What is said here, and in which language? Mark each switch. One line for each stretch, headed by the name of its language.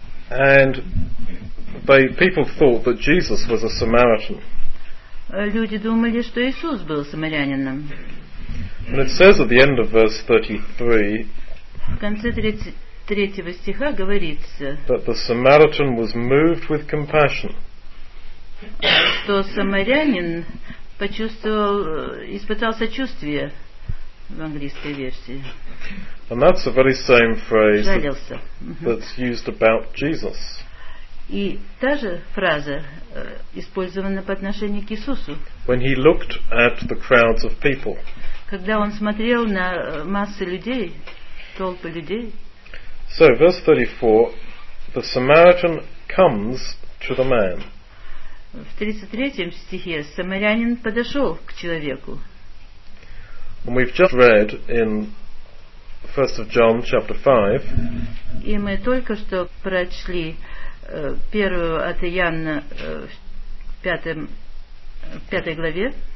English: And they people thought that Jesus was a Samaritan.
Russian: Люди думали, что Иисус был самарянином.
English: And it says at the end of verse 33,
Russian: в конце 33 стиха говорится,
English: that the Samaritan was moved with compassion.
Russian: Что самарянин почувствовал, испытал сочувствие в английской версии.
English: And that's the very same phrase
Russian: жалился.
English: That's used about Jesus.
Russian: И та же фраза использована по отношению к Иисусу.
English: When he looked at the crowds of people.
Russian: Когда он смотрел на массы людей, толпы людей.
English: So, verse 34, the Samaritan comes to the man.
Russian: В 33 стихе самарянин подошел к человеку.
English: And we've just read in 1 John chapter 5.
Russian: И мы только что прочли первую от Иоанна в пятой главе.